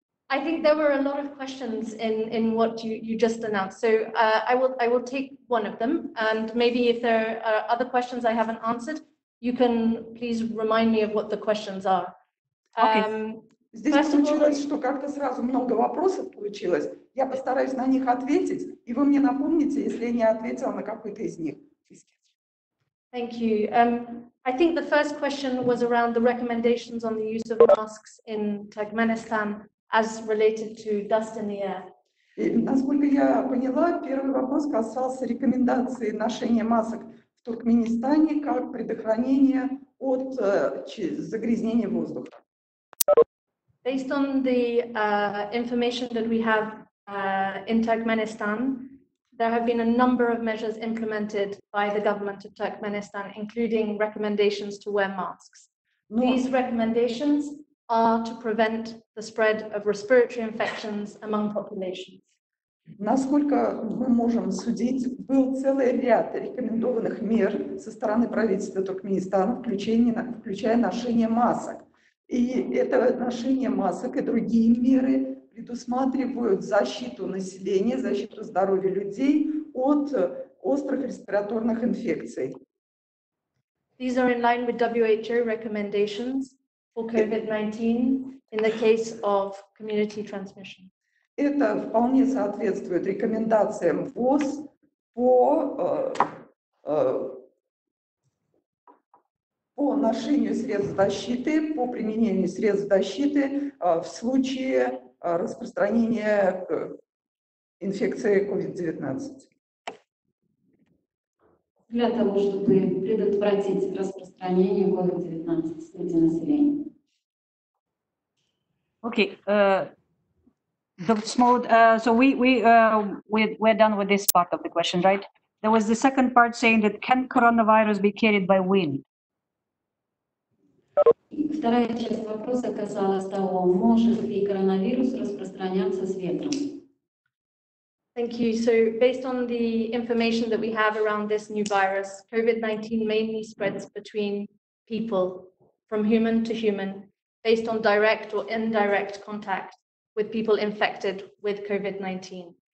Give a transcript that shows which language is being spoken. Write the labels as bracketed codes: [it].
[en] I think there were a lot of questions in what you just announced. So I will take one of them, and maybe if there are other questions I haven't answered, you can please remind me of what the questions are. Okay. [ru] Здесь получилось, что как-то сразу много вопросов получилось. Я постараюсь на них ответить, и вы мне напомните, если я не ответила на какой-то из них. [en] Thank you. I think the first question was around the recommendations on the use of masks in Turkmenistan as related to dust in the air. [ru] И, насколько я поняла, первый вопрос касался рекомендации ношения масок в Туркменистане как предохранения от загрязнения воздуха. [en] Based on the information that we have in Turkmenistan, there have been a number of measures implemented by the government of Turkmenistan, including recommendations to wear masks. These recommendations are to prevent the spread of respiratory infections among populations. [ru] Насколько мы можем судить, был целый ряд рекомендованных мер со стороны правительства Туркменистана, включая ношение масок. И это ношение масок и другие меры предусматривают защиту населения, защиту здоровья людей от острых респираторных инфекций. [en] These are in line with WHO recommendations for COVID-19 in the case of community transmission. [ru] Это вполне соответствует рекомендациям ВОЗ по ношению средств защиты, по применению средств защиты в случае распространения инфекции COVID-19. Для того, чтобы предотвратить распространение COVID-19 среди населения. [en] Okay. Dr. Smallwood, so we're done with this part of the question, right? There was the second part saying that can coronavirus be carried by wind? [ru] Вторая часть вопроса касалась того, может ли коронавирус распространяться с ветром? [en] Thank you. So based on the information that we have around this new virus, COVID-19 mainly spreads between people, from human to human, based on direct or indirect contact with people infected with COVID-19.